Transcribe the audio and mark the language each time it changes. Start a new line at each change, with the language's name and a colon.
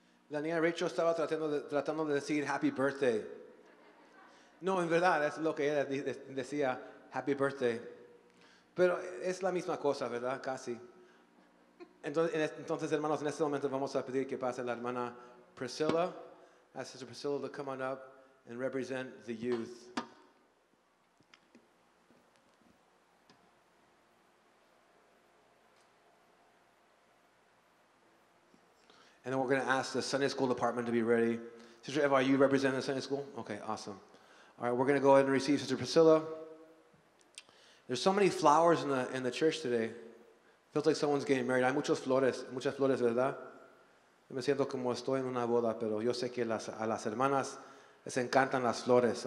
Spanish: La niña Rachel estaba tratando de decir
English: happy birthday.
Spanish: No, en verdad, es lo que ella decía, happy birthday. Pero es la misma cosa, ¿verdad? Casi. Entonces, hermanos, en este momento vamos a pedir que pase la hermana Priscilla.
English: Ask Sister Priscilla to come on up and represent the youth. And then we're going to ask the Sunday School department to be ready. Sister Eva, are you representing the Sunday School? Okay, awesome. All right, we're going to go ahead and receive Sister Priscilla. There's so many flowers in the church today. Feels like someone's getting married.
Spanish: Hay muchas flores, ¿verdad? Me siento como estoy en una boda, pero yo sé que a las hermanas les encantan las flores.